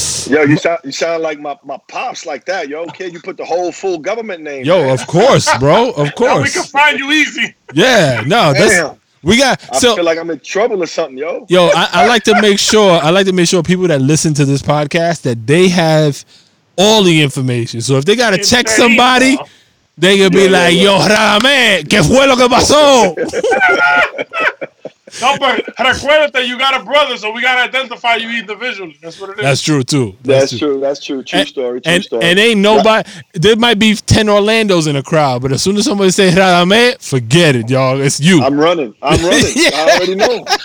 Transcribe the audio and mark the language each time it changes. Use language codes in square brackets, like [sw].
[en] Yo, you sound like my pops like that. Yo, kid, you put the whole full government name. Yo, man. Of course, bro. Of course. Now we can find you easy. Yeah, no, that's, damn. We got, I feel like I'm in trouble or something, yo. Yo, I like to make sure people that listen to this podcast that they have all the information. So if they gotta check somebody, they gonna be like, yo, Ramen, [es] que fue lo que pasó? [en] No, but recuerda, you got a brother, so we gotta identify you individually. That's what it is. That's true too. That's true. True story. And ain't nobody. Right. There might be 10 Orlandos in a crowd, but as soon as somebody say Radames, forget it, y'all. It's you. I'm running. Yeah. I already know.